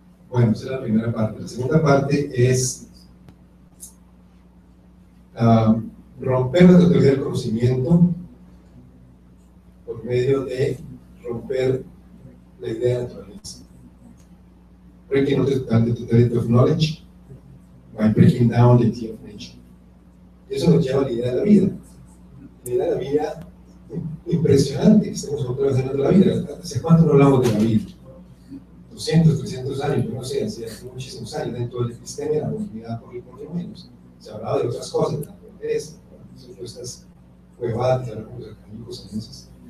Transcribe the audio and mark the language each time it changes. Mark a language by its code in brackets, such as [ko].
[es] Bueno, esa es la primera parte. La segunda parte es romper la totalidad del conocimiento por medio de romper la idea de naturaleza. [en] Breaking down the totality of knowledge by breaking down the idea of nature. [es] Eso nos lleva a la idea de la vida. La idea de la vida impresionante, estamos otra vez hablando de la vida. ¿Hace cuánto no hablamos de la vida? 200, 300 años, yo no sé, hace muchísimos años, dentro del sistema de la humanidad, por lo menos. Se hablaba de otras cosas, de la naturaleza, de supuestas huevadas, de los arcanicos, de esas.